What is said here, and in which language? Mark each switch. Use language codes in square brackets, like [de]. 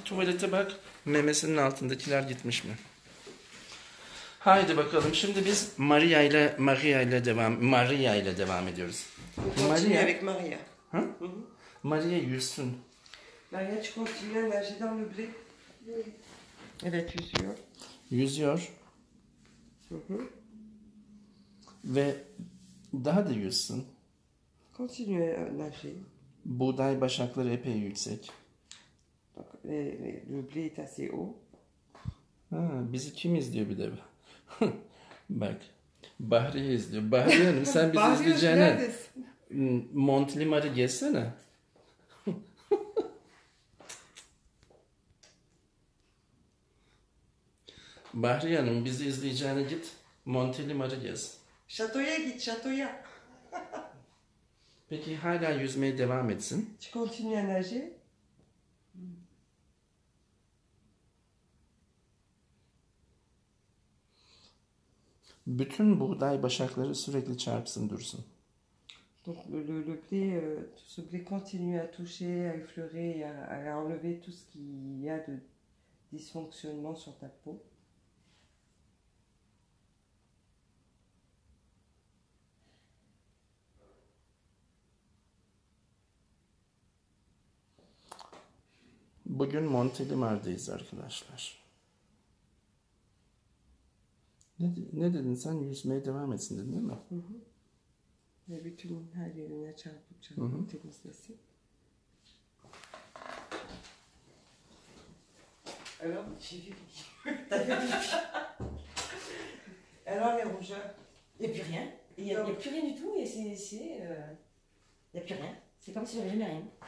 [tr] Tuvalete bak, memesinin altındakiler gitmiş mi? Haydi bakalım. Şimdi biz Maria ile devam ediyoruz. [fr] Maria. Avec Maria. [tr] Hı? Maria yüzsün. [fr] Maria, tu continues à nager dans le blé? [tr] Evet, yüzüyor. Yüzüyor. Ve daha da yüzsün. [fr] Continue [tr] her şey. Buğday başakları epey yüksek. Bak, [fr] le blé est assez haut. [tr] Bizi kim izliyor bir de? Bak, Bahri izliyor. Bahri Hanım sen bizi izleyeceğine... Bahri neredesin? Montlimar'ı gezsene. Bahri Hanım bizi izleyeceğine git, Montlimar'ı gez. Şatoya git, şatoya. Peki hala yüzmeye devam etsin. [fr] Continue [tr] enerji. Bütün buğday başakları sürekli çarpsın dursun. [fr] Donc le blé, ce blé continue à toucher, à effleurer, à enlever tout ce qu'il y a de dysfonctionnement sur ta peau. [tr] Bugün Montelimar'dayız arkadaşlar. Ne dedin sen? Yüzmeye devam etsin dedin değil mi? Hı hı. Ve bütün her yerine çarpıp çarpıp temizlesin. [fr] Alors, j'ai vu le guillemot. T'as fait le guillemot. Alors, les rougeurs. Y'a plus rien. Y'a plus rien du tout. Y'a plus rien. C'est comme si j'avais jamais rien.